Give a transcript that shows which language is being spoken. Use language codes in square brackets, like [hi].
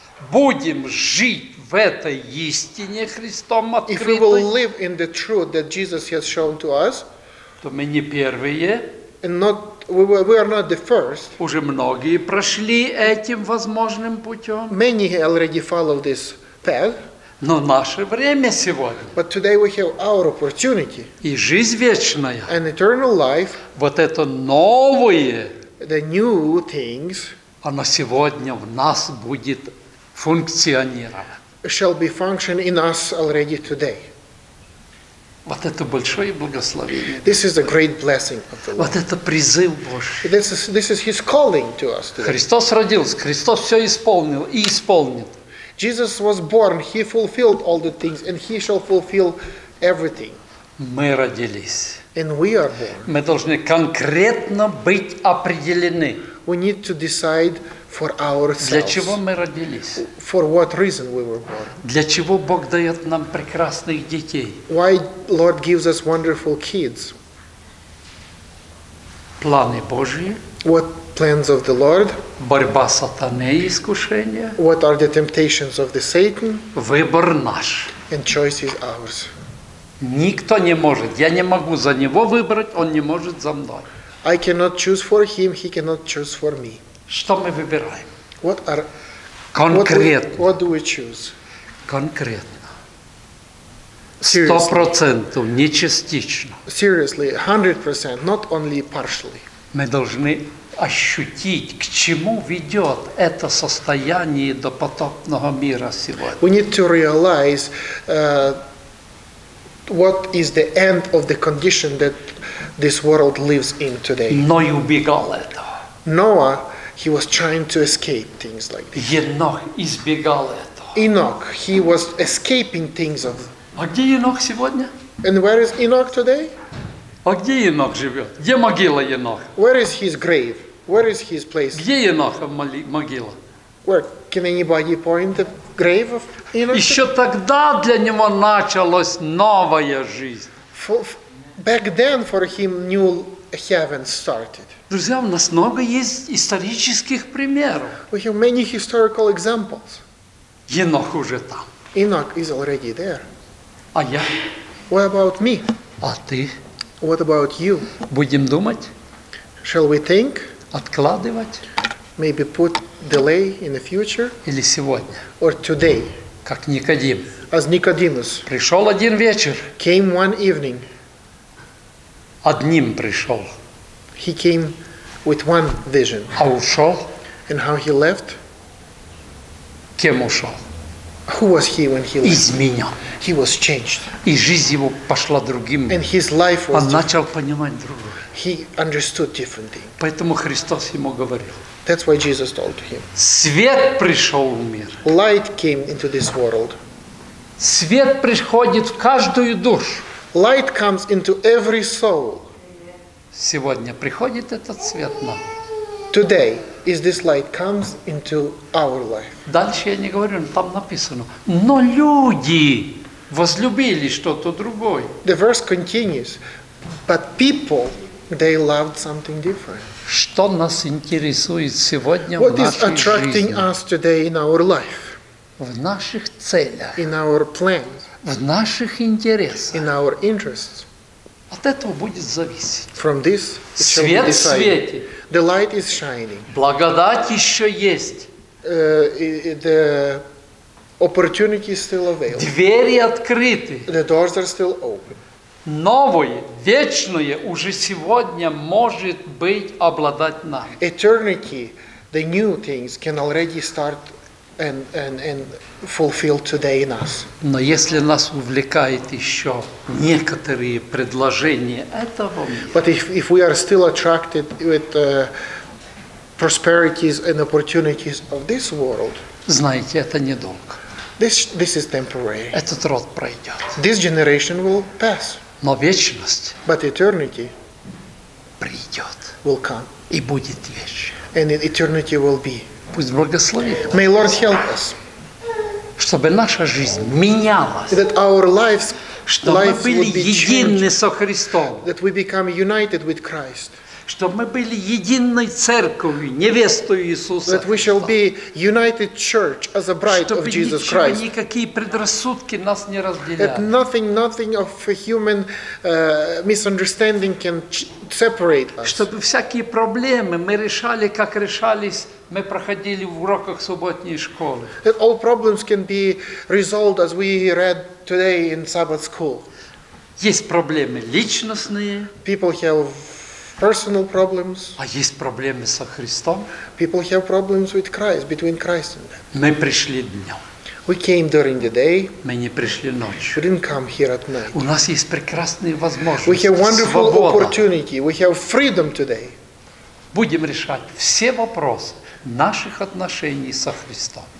[ru] будем жить в этой истине Христом открытой, [en] if we will live in the truth that Jesus has shown to us, [ru] то мы не первые, [en] and not, we are not the first, [ru] уже многие прошли этим возможным путем. [en] Many already follow this path. [ru] Но наше время сегодня. [en] But today we have our opportunity. [ru] И жизнь вечная. [en] An eternal life. [ru] Вот это новое. [en] The new things. [ru] Оно сегодня в нас будет функционировать. [en] Shall be functioning in us already today. [ru] Вот это большое благословение. [en] This is a great blessing of the Lord. [ru] Вот это призыв Божий. [en] This is His calling to us today. [ru] Христос родился, Христос все исполнил и исполнит. [en] Jesus was born, he fulfilled all the things, and he shall fulfill everything. [ru] Мы родились. [en] And we are born. [ru] Мы должны конкретно быть определены. [en] We need to decide for ourselves. [ru] Для чего мы родились? [en] For what reason we were born. [ru] Для чего Бог дает нам прекрасных детей? [en] Why Lord gives us wonderful kids? [ru] Планы Божьи. [en] What plans of the Lord? [ru] Борьба сатаны и искушения. [en] What are the temptations of the Satan? [ru] Выбор наш. [en] And choice is ours. [ru] Никто не может. Я не могу за него выбрать, он не может за мной. [en] I cannot choose for him, he cannot choose for me. [ru] Что мы выбираем? [en] What are [ru] конкретно? [en] What do we choose? [ru] Конкретно. 100% не частично. [en] Seriously, 100%, not only partially. [ru] Мы должны ощутить, к чему ведет это состояние до потопного мира сегодня. [en] We need to realize what is the end of the condition that this world lives in today. [ru] Ной убегал этого. [en] Noah, he was trying to escape things like this. [ru] Енох избегал этого. [en] Enoch, he was escaping things of. [ru] А где Енох сегодня? [en] And where is Enoch today? [ru] А где Енох живет? Где могила Енох? [en] Where is his grave? Where is his place? [ru] Где Еноха могила? [en] Where can anybody point the grave of Enoch? [ru] Еще тогда для него началась новая жизнь. [en] Back then for him new heaven started. [ru] Друзья, у нас много есть исторических примеров. [en] We have many historical examples. [ru] Енох уже там. [en] Enoch is already there. [ru] А я? [en] What about me? [ru] А ты? [en] What about you? [ru] Будем думать. [en] Shall we think? [ru] Откладывать. [en] Maybe put delay in the future. [ru] Или сегодня. [en] Or today. [ru] Как Никодим. [en] As Nicodemus. [ru] Пришел один вечер. [en] Came one evening. [ru] Одним пришел. [en] He came with one vision. [ru] А ушел. [en] And how he left? [ru] Кем ушел? [en] Who was he when he left? [ru] Изменен. [en] He was changed. [ru] И жизнь его пошла другим. [en] And his life was [ru] Он [en] different. [ru] Начал понимать другое. [en] He understood different things. [ru] Поэтому Христос ему говорил. [en] That's why Jesus told him. [ru] Свет пришел в мир. [en] Light came into this world. [ru] Свет приходит в каждую душу. [en] Light comes into every soul. [ru] Сегодня приходит этот свет нам. [en] Today is this light comes into our life. [ru] Дальше я не говорю, но там написано. Но люди возлюбили что-то другое. [en] The verse continues. But people, they loved something different. [ru] Что нас интересует сегодня [en] What [ru] в нашей жизни? [en] What is attracting [ru] жизни? [en] Us today in our life? [ru] В наших целях. [en] In our plans. [ru] В наших интересах. [en] In our interests. [ru] От этого будет зависеть. [en] From this, [ru] свет в свете. [en] The light is shining. [ru] Благодать еще есть. [en] The opportunity is still available. [ru] Двери открыты. [en] The doors are still open. [ru] Новое, вечное уже сегодня может быть обладать нами. [en] Eternity, the new things can already start and fulfill today in us. [ru] Но если нас увлекает еще некоторые предложения этого мира, [en] But if we are still attracted with prosperities and opportunities of this world, [ru] знаете, это недолго. [en] This is temporary. [ru] Этот род пройдет. [en] This generation will pass. [ru] Но вечность [en] But eternity [ru] придет [en] will come. [ru] И будет вечно. [en] And eternity will be. [ru] Пусть благословит. [en] May Lord help us. [ru] Чтобы наша жизнь менялась. [en] That our lives [ru] Чтобы мы были едины со Христом. [en] That we become united with Christ. [ru] Чтобы мы были единой церковью, невестой Иисуса Христа. [en] That we shall be united church as a bride [ru] Чтобы [en] of Jesus Christ. [ru] Чтобы никакие предрассудки нас не разделяли. [en] That nothing of human misunderstanding can separate us. [ru] Чтобы всякие проблемы мы решали, как решались мы проходили в уроках субботней школы. [en] That all problems can be resolved as we read today in Sabbath school. [ru] Есть проблемы личностные. [en] People have personal problems. [ru] А есть проблемы со Христом? [en] People have problems with Christ, between Christ and them. [ru] Мы пришли днем. [en] We came during the day. [ru] Мы не пришли ночью. [en] We didn't come here at night. [ru] У нас есть прекрасные возможности. [en] We have wonderful [ru] Свобода. [en] Opportunity. We have freedom today. [ru] Будем решать все вопросы наших отношений со Христом.